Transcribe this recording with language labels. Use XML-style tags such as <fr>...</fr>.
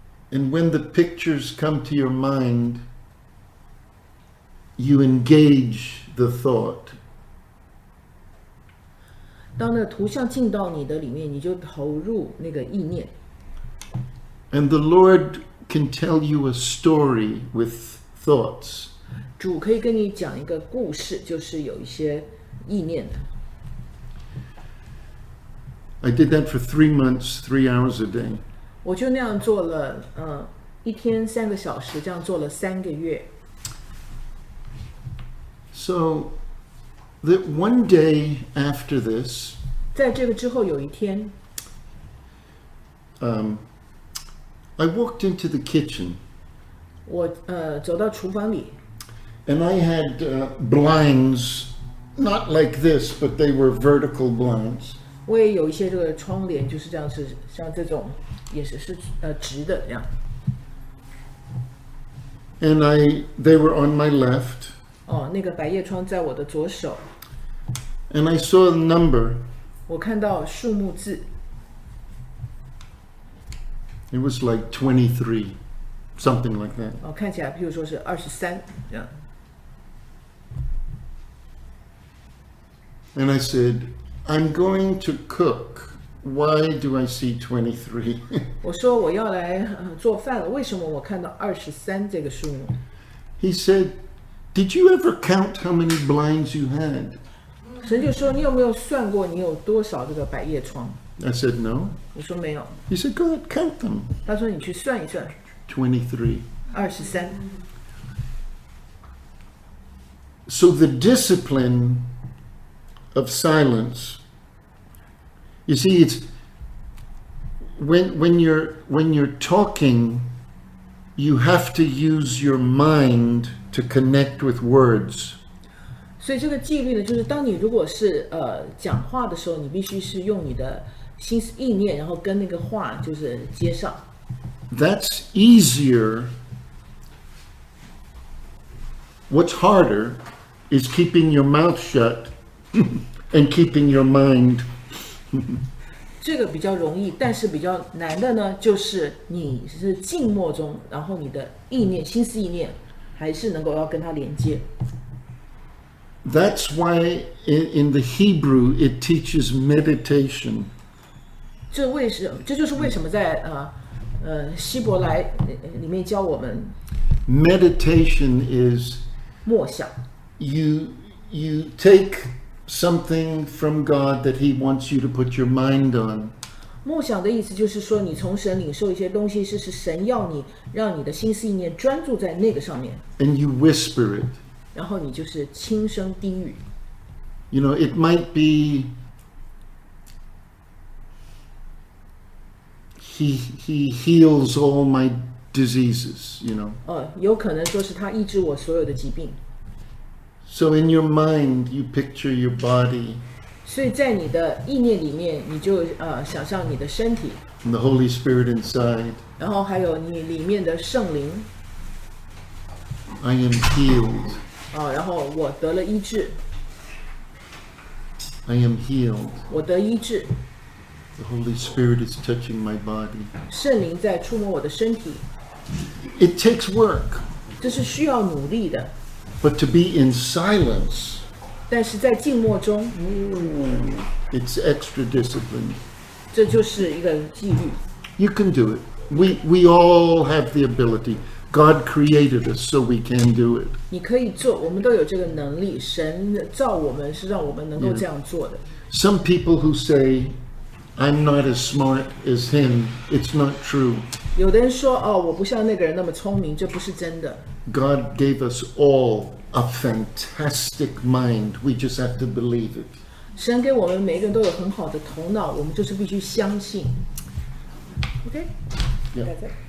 <en>And when the pictures come to your mind, you engage the thought.</en> <zh>当那图像进到你的里面，你就投入那个意念。</zh> <en>And the Lord can tell you a story with thoughts.</en> <zh>主可以跟你讲一个故事，就是有一些意念的。</zh> <en>I did that for 3 months, 3 hours a day.</en> <zh>我就那样做了，一天三个小时，这样做了三个月。</zh> <en>So, that one day after this,</en> <zh>在这个之后有一天，</zh> <en>I walked into the kitchen.</en> <zh>我走到厨房里。</zh> <en>And I had blinds, not like this, but they were vertical blinds.</en> <zh>我也有一些这个窗帘，就是这样子，像这种，也是直的这样。</zh> <en>And they were on my left.</en> <zh>哦，那个百叶窗在我的左手。</zh> <en>And I saw the number.</en> <zh>我看到数目字。</zh> <en>It was like 23, something like that.</en> <zh>哦，看起来，譬如说是23这样。</zh> <en>And I said, I'm going to cook. Why do I see 23?</en> <zh>我说我要来做饭了，为什么我看到23这个数目？</zh> <en>He said, did you ever count how many blinds you had?</en> <zh>神就说，你有没有算过你有多少这个百叶窗？</zh> <en>I said, no.</en> <zh>我说没有。</zh> <en>He said, go ahead, count them.</en> <zh>他说你去算一算。</zh> <en>23.</en> <zh>23.</zh> <en>So the discipline... of silence. You see, it's when you're talking, you have to use your mind to connect with words.</en> <zh>所以这个纪律呢，就是当你如果是讲话的时候，你必须是用你的心思意念，然后跟那个话就是接上。</zh> <en>That's easier. What's harder is keeping your mouth shut. And keeping your mind.</en> <zh>这个比较容易，但是比较难的呢，就是你是静默中，然后你的意念、心思意念还是能够要跟它连接。</zh> <en>That's why in the Hebrew it teaches meditation.</en> <zh>这就是为什么在希伯来里面教我们。</zh> <en>Meditation is</en> <zh>默想。</zh> <en>You take. Something from God that He wants you to put your mind on.</en> <zh>默想的意思就是说，你从神领受一些东西，是神要你让你的心思意念专注在那个上面。</zh> <en>And you whisper it.</en> <zh>然后你就是轻声低语。</zh> <en>You know, it might be He heals all my diseases. You know.</en> <zh>有可能说是他医治我所有的疾病。</zh> <en>So in your mind, you picture your body.</en> <zh>所以在你的意念里面，你就想象你的身体。</zh> <en>And the Holy Spirit inside.</en> <zh>然后还有你里面的圣灵。</zh> <en>I am healed.</en> <zh>然后我得了医治。</zh> <en>I am healed.</en> <zh>我得医治。</zh> <en>The Holy Spirit is touching my body.</en> <zh>圣灵在触摸我的身体。</zh> <en>It takes work.</en> <zh>这是需要努力的。</zh> <en>But to be in silence.</en> <zh>但是在静默中。</zh> <en>It's extra discipline.</en> <zh>这就是一个纪律。</zh> <en>You can do it. We all have the ability. God created us so we can do it.</en> <zh>你可以做，我们都有这个能力。神造我们是让我们能够这样做的。</zh> <en>Some people who say, "I'm not as smart as him," it's not true.</en> <zh>有的人说，哦，我不像那个人那么聪明，这不是真的。</zh> <en>God gave us all a fantastic mind. We just have to believe it.</en> <zh>神给我们每个人都有很好的头脑，我们就是必须相信。 OK， 在这。</zh>